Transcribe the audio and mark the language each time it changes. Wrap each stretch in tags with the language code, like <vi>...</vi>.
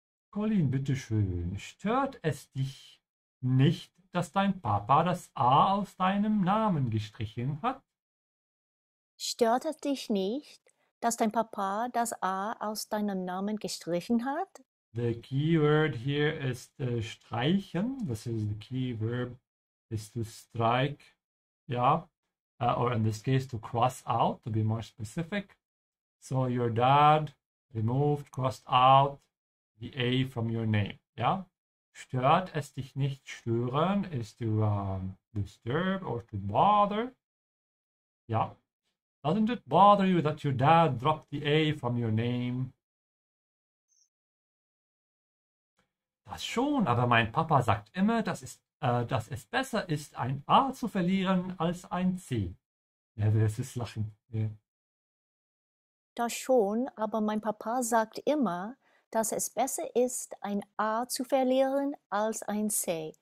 <de>Colin, bitteschön, stört es dich nicht, dass dein Papa das A aus deinem Namen gestrichen hat? Stört es dich nicht, dass dein Papa das A aus deinem Namen gestrichen hat?</de> <en>The key word here is streichen. This is the key verb is to strike. Yeah. Or in this case to cross out, to be more specific. So your dad removed, crossed out the A from your name. Yeah?</en> <de>Stört es dich nicht,</de> <en>stören is to disturb or to bother. Yeah. Doesn't it bother you that your dad dropped the A from your name?</en> <de>Das schon, aber mein Papa sagt immer, dass es besser ist, ein A zu verlieren als ein C. Ja, das ist Lachen. Ja. Das schon, aber mein Papa sagt immer, dass es besser ist, ein A zu verlieren als ein C.</de>